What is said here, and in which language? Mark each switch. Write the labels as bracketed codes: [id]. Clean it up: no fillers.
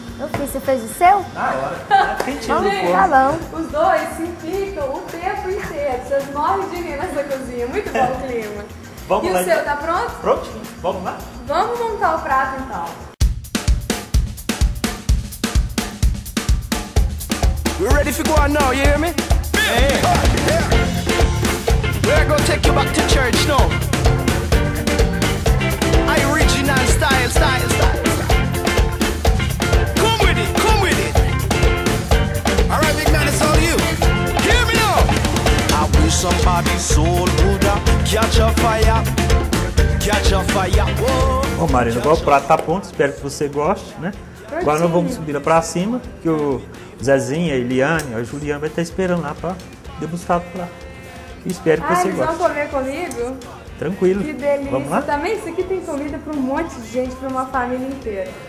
[pt] Eu fiz, você fez o seu? Na hora. Vamos, tá bom. Os dois se ficam o tempo inteiro. Vocês morrem de rir nessa cozinha. Muito bom o clima. Vamos e lá. E o seu, tá pronto? Prontinho. Vamos lá? Vamos montar o prato, então. [en] We're ready for going now, you hear me? Yeah. We're gonna take you back to church now. Original style, style, style. Come with it, come with it. Alright, big man, it's all you. Hear me now. I wish somebody's soul would catch a fire. Catch a fire. Whoa. [pt] Bom, Marina, agora o prato tá pronto. Espero que você goste, né? Agora nós vamos subir lá pra cima, que o Zezinha, a Eliane, a Juliana vai estar esperando lá pra degustar pra. Espero que você goste. Vocês vão comer comigo? Tranquilo. Que delícia. Vamos lá? Também isso aqui tem comida pra um monte de gente, pra uma família inteira.